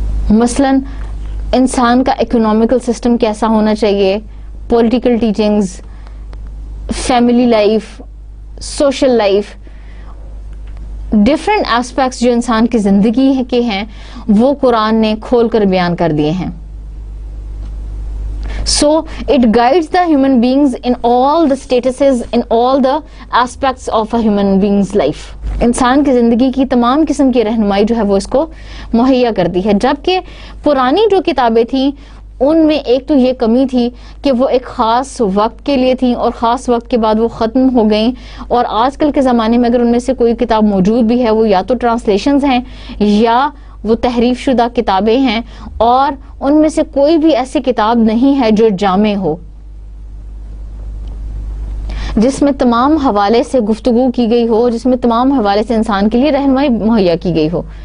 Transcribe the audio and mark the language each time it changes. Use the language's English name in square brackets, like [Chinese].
[Urdu] مثلا انسان کا اکنامیکل سسٹم کیسا ہونا چاہیے, political teachings, family life, social life, different aspects جو انسان کی زندگی کے ہیں, وہ قرآن نے کھول کر بیان کر دیے ہیں. [English] So it guides the human beings in all the statuses, in all the aspects of a human being's life. [Urdu] انسان کی زندگی کی تمام قسم کی رہنمائی جو ہے وہ اس کو مہیا کر دی ہے. جبکہ پرانی جو کتابیں تھیں ان میں ایک تو یہ کمی تھی کہ وہ ایک خاص وقت کے لیے تھیں اور خاص وقت کے بعد وہ ختم ہو گئیں, اور آج کل کے زمانے میں اگر ان میں سے کوئی کتاب موجود بھی ہے وہ یا تو ٹرانسلیشنز ہیں یا وہ تحریف شدہ کتابیں ہیں, اور ان میں سے کوئی بھی ایسی کتاب نہیں ہے جو جامع ہو جس میں تمام حوالے سے گفتگو کی گئی ہو, جس میں تمام حوالے سے انسان کے لیے رہنمائی مہیا کی گئی ہو.